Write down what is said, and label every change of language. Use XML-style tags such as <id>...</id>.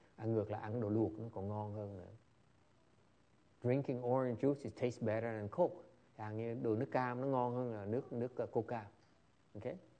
<vi>Ăn ngược lại ăn đồ luộc nó còn ngon hơn nữa.</vi> <en>Drinking orange juice it tastes better than Coke.</en> <vi>Ăn như đồ nước cam nó ngon hơn là nước Coca. Okay?</vi>